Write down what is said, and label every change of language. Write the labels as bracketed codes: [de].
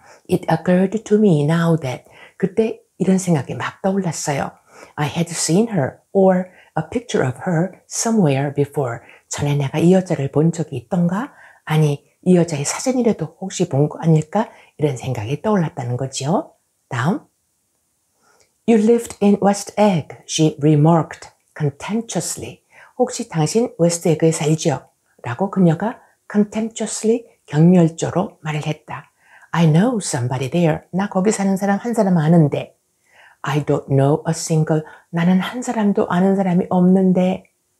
[en] It occurred to me now that [ko] 그때 이런 생각이 막 떠올랐어요. [en] I had seen her or a picture of her somewhere before. [ko] 전에 내가 이 여자를 본 적이 있던가? 아니, 이 여자의 사진이라도 혹시 본 거 아닐까? 이런 생각이 떠올랐다는 거죠. 다음. [en] You lived in West Egg, she remarked contemptuously. [ko] 혹시 당신 웨스트에그에 살지요? 라고 그녀가 contemptuously, 경멸조로 말을 했다. [en] I know somebody there. [ko] 나 거기 사는 사람 한 사람 아는데. [en] I don't know a single. [ko] 나는 한 사람도 아는 사람이 없는데.